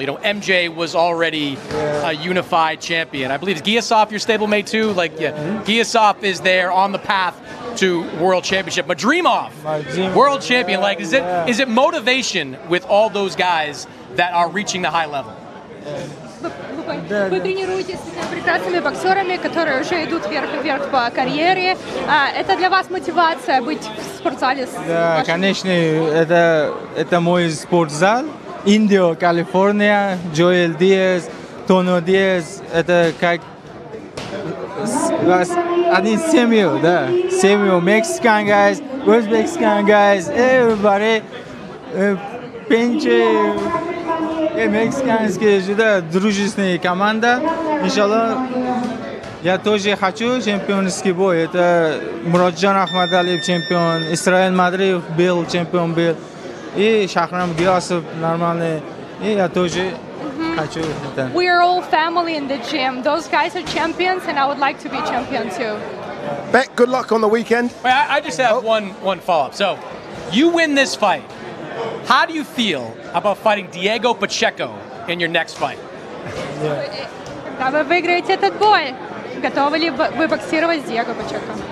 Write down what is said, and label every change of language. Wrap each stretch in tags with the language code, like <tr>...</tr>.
<en>You know, MJ was already a unified champion. I believe Giasov, your stablemate too. Like, yeah, Giasov is there on the path to world championship. But Dreamov, world champion. Yeah, like, is it motivation with all those guys that are reaching the high level?</en> <ru>Вы тренируетесь с прекрасными боксерами, которые уже идут вверх по карьере. Это для вас мотивация быть в спортзале? Да, конечно. Это мой спортзал. Индио, Калифорния, Джоэл Диаз, Тоно Диаз. Это как один семью, да. Семью Мексикан гайз, Узбекистан гайз,</ru> <en>everybody.</en> <ru>Пенчи. Мексиканская жида, дружественная команда. Иншаллах, я тоже хочу чемпионский бой. Это Муроджан Ахмадалиев чемпион, Исраэль Мадриев был чемпион был. И Шахрам Гиасов нормальный. И я тоже хочу это.</ru> <en>We are all family in the gym. Those guys are champions, and I would like to be champion too. Bek, good luck on the weekend. I just have one follow-up. So, you win this fight. How do you feel about fighting Diego Pacheco in your next fight?</en> <ru>Вы выиграете этот бой. Готовы ли вы боксировать с Диего Пачеко?</ru>